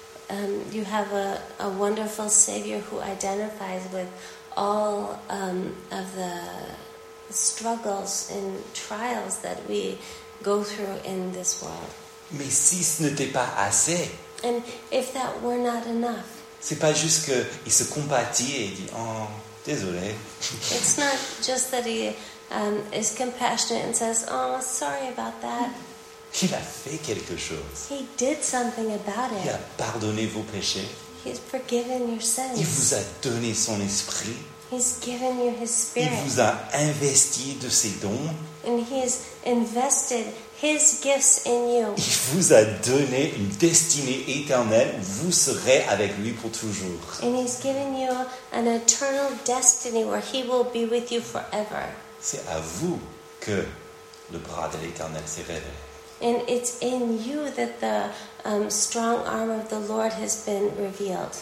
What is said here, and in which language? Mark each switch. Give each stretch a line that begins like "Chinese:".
English: And you have a wonderful savior who identifies with all of the struggles and trials that we go through in this world.
French: Mais si ce n'était pas assez,
English: and if that were not enough,
French: c'est pas juste qu'il se compatit et dit, oh, désolé.
English: It's not just that he is compassionate and says, oh, sorry about that.
French: Il a fait quelque chose.
English: He did something about it.
French: Il a pardonné vos péchés.
English: He's forgiven your sins.
French: Il vous a donné son esprit.
English: He's given you his spirit.
French: Il vous a investi de ses dons.
English: And he has invested his gifts in you.
French: Il vous a donné une destinée éternelle. Vous serez avec lui pour toujours.
English: And he's given you an eternal destiny where he will be with you forever.
French: C'est à vous que le bras de l'Éternel s'est révélé.
English: And it's in you that the strong arm of the Lord has been revealed.